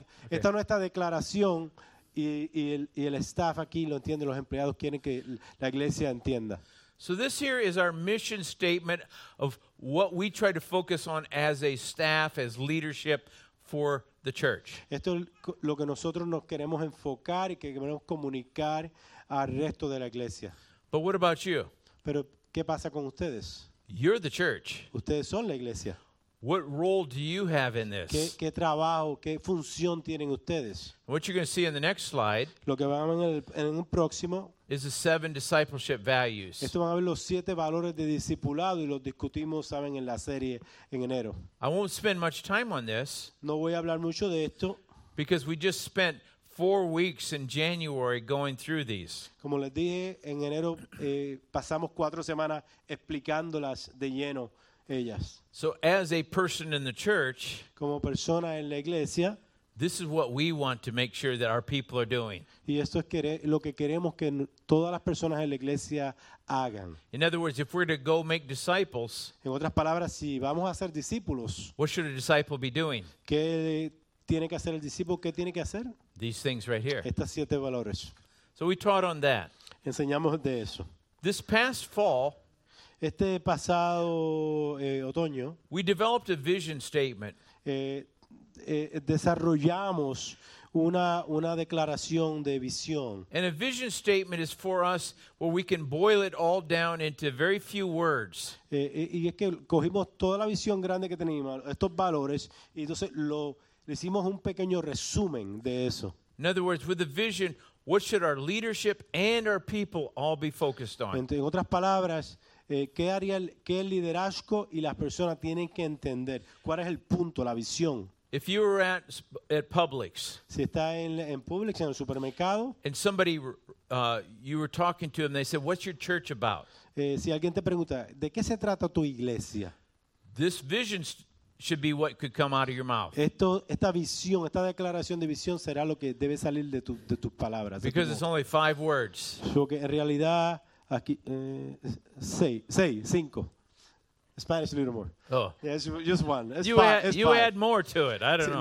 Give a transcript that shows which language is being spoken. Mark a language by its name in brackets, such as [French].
[Spanish] Esta no está declaración y el staff aquí lo entiende, los empleados quieren que la iglesia entienda. [English] So this here is our mission statement of what we try to focus on as a staff, as leadership for the church. [Spanish] Esto es lo que nosotros nos queremos enfocar y que queremos comunicar al resto de la iglesia. [English] But what about you? [Spanish] Pero ¿qué pasa con ustedes? [English] You're the church. [Spanish] Ustedes son la iglesia. [English] What role do you have in this? [Spanish] ¿Qué trabajo, qué función tienen ustedes? [English] What you're going to see in the next slide. [Spanish] Lo que vamos en el próximo. [English] Is the seven discipleship values. [Spanish] Esto van a ver los siete valores de discipulado y los discutimos, saben, en la serie en enero. [English] I won't spend much time on this. [Spanish] No voy a hablar mucho de esto. [English] Because we just spent 4 weeks in January going through these. [Spanish] Como les dije, en enero pasamos 4 semanas explicándolas de lleno. Ellas. [English] So as a person in the church, [Spanish] como persona en la iglesia, [English] this is what we want to make sure that our people are doing. [Spanish] Y esto es lo que queremos que todas las personas en la iglesia hagan. [English] In other words, if we're to go make disciples, [Spanish] en otras palabras, si vamos a ser discípulos, [English] what should a disciple be doing? [Spanish] ¿Qué tiene que hacer el discípulo? ¿Qué tiene que hacer? [English] These things right here. [Spanish] Estas siete valores. [English] So we taught on that. [Spanish] Enseñamos de eso. [English] This past fall, [Spanish] este pasado otoño, [English] we developed a vision statement. [Spanish] Desarrollamos una declaración de visión. [English] And a vision statement is for us where we can boil it all down into very few words. [Spanish] Y es que cogimos toda la visión grande que teníamos, estos valores, y entonces le hicimos un pequeño resumen de eso. [English] In other words, with the vision, what should our leadership and our people all be focused on? [Spanish] En otras palabras, ¿qué haría qué liderazgo y las personas tienen que entender? ¿Cuál es el punto, la visión? [English] If you were at Publix, [Spanish] si está en Publix, en el supermercado, [English] and somebody you were talking to them, they said, "What's your church about?" [Spanish] Si alguien te pregunta, ¿de qué se trata tu iglesia? [English] This vision should be what could come out of your mouth. [Spanish] Esta visión, esta declaración de visión será lo que debe salir de tus palabras. [English] Because it's only 5 words. [Spanish] Porque en realidad aquí 6, 5. [English] Spanish a little more. Oh. Yeah, just one. You add more to it. I don't know.